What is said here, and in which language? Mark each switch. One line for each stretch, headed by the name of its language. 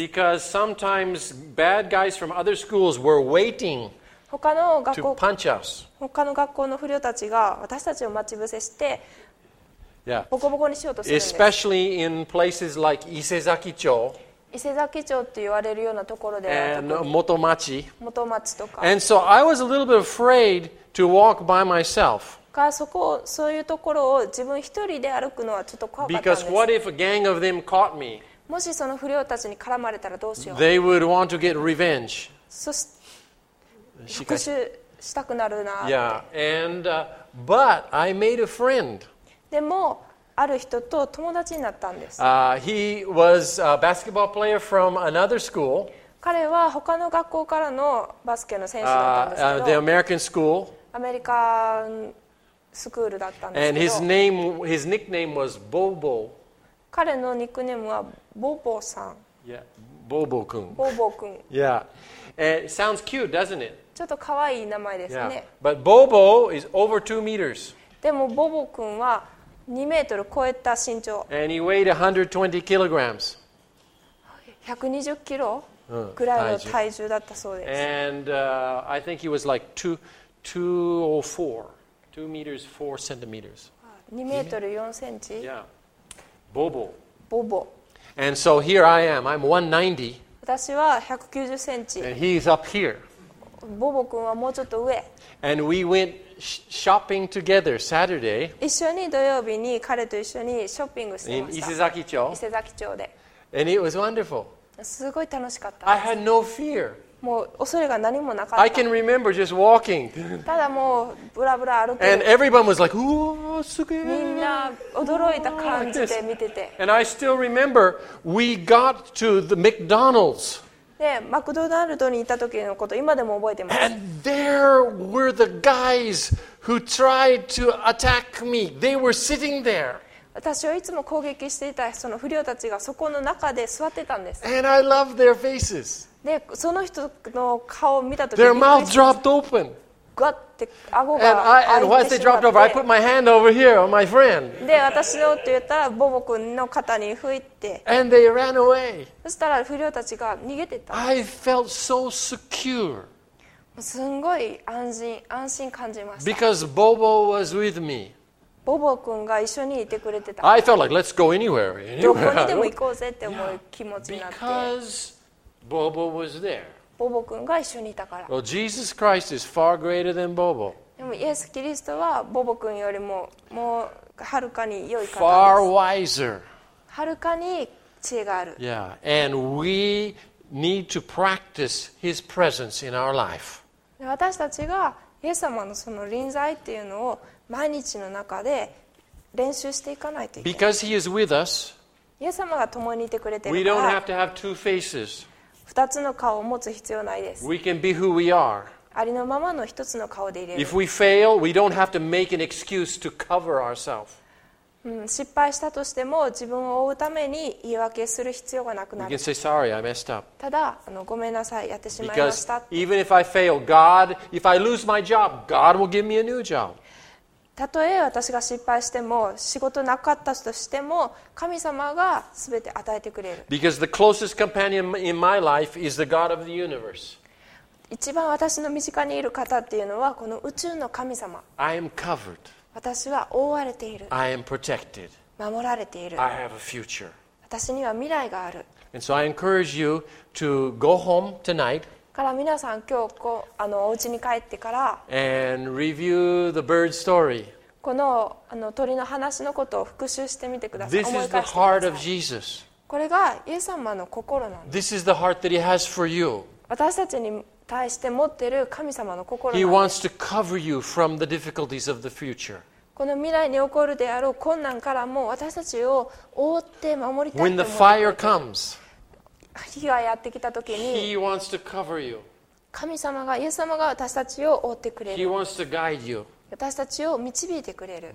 English: Because sometimes bad guys from other schools were waiting.
Japanese: 他の学校の不良たちが私たちを待ち伏せして、ボコボコにしようとするんです。
English: Especially in places like 伊勢崎町。
Japanese: 伊勢崎町って言われるようなところで。元町とか。
English: And so I was a little bit afraid to walk by myself.
Japanese: からそういうところを自分一人で歩くのはちょっと怖かったんです。
English: Because what if a gang of them caught me?
Japanese: もしその不良たちに絡まれたらどうしよう。
English: They would want to get revenge.
Japanese: そして復讐したくなるなって。
English: Yeah, and, but I made a friend.
Japanese: でもある人と友達になったんです。
English: He was a basketball player from another school.
Japanese: 彼は他の学校からのバスケの選手だったんですけど、
English: the American school.
Japanese: アメリカンスクールだったんですけど、
English: and his nickname was Bobo.
Japanese: 彼のニックネームはボボさん。
English: Yeah, Bobo 君。
Japanese: Bobo 君。
English: Yeah, it sounds cute, doesn't it?
Japanese: ちょっとかわいい名前ですね。
English: Yeah. But Bobo is over 2 meters.
Japanese: でもボボ君は2メートル超えた身長。
English: And he weighed 120 kilograms.
Japanese: 120キロぐらいの体重だったそうです。
English: And I think he was like 204 meters 4 centimeters.
Japanese: 2メートル4センチ。
English: Yeah. Bobo.
Japanese: Bobo.
English: And so here I am. I'm 190.
Japanese: 私は190センチ。
English: And he's up here.
Japanese: Bobo 君はもうちょっと上。
English: And we went shopping together Saturday.
Japanese: 一緒に土曜日に彼と一緒にショッピングしてました。
English: In 伊勢崎町。
Japanese: 伊勢崎町で。
English: And it was wonderful.
Japanese: すごい楽しかった。
English: I had no fear.
Japanese: もう恐れが何もなかった。
English: I can remember just walking.
Japanese: ただもうブラブラ歩く。
English: And everyone was like, "Oh,
Japanese: すげえ!" みんな驚いた感じで見てて。
English: And I still remember we got to the McDonald's.
Japanese: で、マクドナルドに行った時のこと今でも覚えてます。
English: And there were the guys who tried to attack me. They were sitting there.
Japanese: 私はいつも攻撃していたその不良たちがそこの中で座ってたんです。
English: And I love their faces.
Japanese: で、その人の顔を見たときに、
English: their mouth dropped open.
Japanese: ガッて顎が開いてしまって。
English: And once they dropped over, I put my hand over here on my friend.
Japanese: で、私のって言ったらボボ君の肩に拭いて。
English: And they ran away.
Japanese: そしたら不良たちが逃げてた。
English: I felt so secure.
Japanese: すんごい安心感じました。
English: Because Bobo was with me.
Japanese: ボボ君が一緒にいてくれてた。
English: I felt like, let's go anywhere.
Japanese: どこにでも行こうぜって思う気持ちになって。
English: Because Bobo was there.
Japanese: ボボ君が一緒にいたから。
English: Well, Jesus Christ is far greater than Bobo.
Japanese: でもイエス・キリストはボボ君よりももうはるかに良い方です。
English: Far wiser.
Japanese: はるかに知恵がある。
English: Yeah, and we need to practice His presence in our life.
Japanese: 私たちがイエス様のその臨在っていうのを毎日の中で練習していかないといけない。イエス様が共にいてくれているから、二つの顔を持つ必要ないです。
English: We can be who we are.
Japanese: ありのままの一つの顔でいれる。
English: If we fail, we don't have to make an excuse to cover ourselves.
Japanese: 失敗したとしても自分を覆うために言い訳する必要がなくなる。
English: We can say, sorry, I messed up.
Japanese: ただごめんなさい、やってしまいました。
English: Because even if I fail, God, if I lose my job, God will give me a new job.
Japanese: たとえ私が失敗しても仕事なかったとしても神様が全て与えてくれる。
English: Because the closest companion in my life is the God of the universe.
Japanese: 一番私の身近にいる方っていうのはこの宇宙の神様。
English: I am covered.
Japanese: 私は覆われている。
English: I am protected.
Japanese: 守られている。
English: I have a future.
Japanese: 私には未来がある。
English: And so I encourage you to go home tonight.
Japanese: から皆さん今日お家に帰ってから
English: And review the bird story.
Japanese: この鳥の話のことを復習してみてください。
English: This is the heart of Jesus.
Japanese: これがイエス様の心なんです。
English: This is the heart that he has for you.
Japanese: 私たちに対して持ってる神様の心なんです。
English: He wants to cover you from the difficulties of the future.
Japanese: この未来に起こるであろう困難からも私たちを覆って守りたい。
English: When the fire comes.
Japanese: 火がやってきた時に
English: He wants to cover you.
Japanese: 神様がイエス様が私たちを覆ってくれる。
English: He wants to guide you.
Japanese: 私たちを導いてくれる。